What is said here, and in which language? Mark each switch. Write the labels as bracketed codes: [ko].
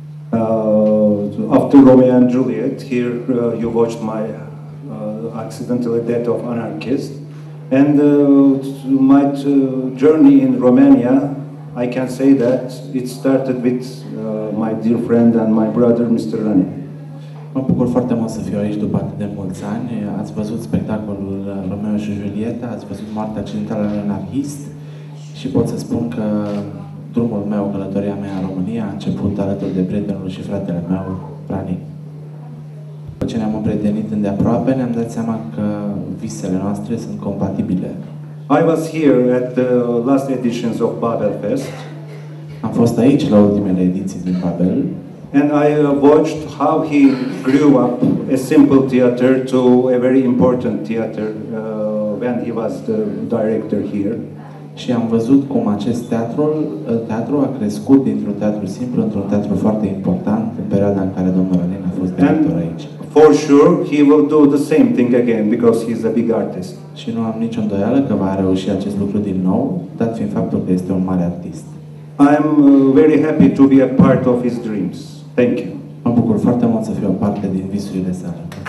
[en] After Romeo and Juliet, here you watched my accidental death of anarchist. And my journey in Romania, I can say that it started with my dear friend and my brother, Mr. Rani. [ro] Mă bucur foarte mult să fiu aici după atât de mulți ani. Ați văzut spectacolul Romeo și Julieta, ați văzut moartea accidentală al anarhist. Și pot să spun că drumul meu, călătoria mea în România, a început alături de prietenul și fratele meu, Rani. După ce ne-am împrietenit îndeaproape, ne-am dat seama că visele noastre sunt compatibile. [en] I was here at the last editions of Babel Fest. [ro] Am fost aici la ultimele ediții din Babel. [en] And I watched how he grew up a simple theater to a very important theater when he was the director here. [ro] Și am văzut cum acest teatru a crescut dintr-un teatru simplu într-un teatru foarte important în perioada în care domnul Rănin a fost director aici. [en] For sure he will do the same thing again because he is a big artist. [ro] Și nu am nicio îndoială că va reuși acest lucru din nou, dat fiind faptul că este un mare artist. [en] I am very happy to be a part of his dreams. Thank you. [ro] Mă bucur foarte mult să fiu o parte din visurile sale.